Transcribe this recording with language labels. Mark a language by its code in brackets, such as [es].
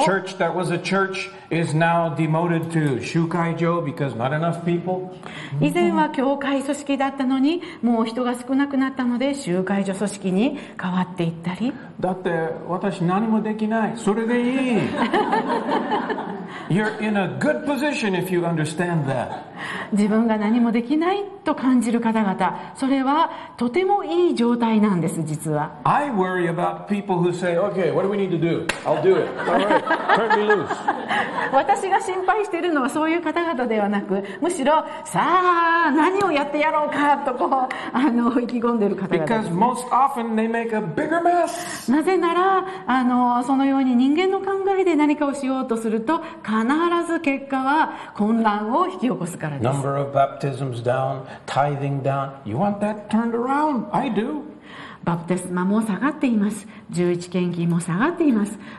[en] church that was a church is now demoted to 集会場 because not enough people. [ja] 以前は教会組織だったのにもう人が少なくなったので集会所組織に変わっていったり、だって私何もできない、それでいい。 [en] You're in a good position if you understand that. [ja] 自分が何もできないと感じる方々、それはとてもいい状態なんです、実は。 [en] I worry about people who say, okay, what do we need to do? I'll do it. All right, turn me loose. [ja] 私が心配しているのはそういう方々ではなく、むしろさあ何をやってやろうかとこう意気込んでいる方々です、ね。 [en] Because most often they make a bigger mess. [ja] なぜならそのように人間の考えで何かをしようとすると必ず結果は混乱を引き起こすからです。 [en] Number of baptisms down, tithing down. You want that turned around? I do. [ja] バプテスマも下がっています。十一献金も下がっています。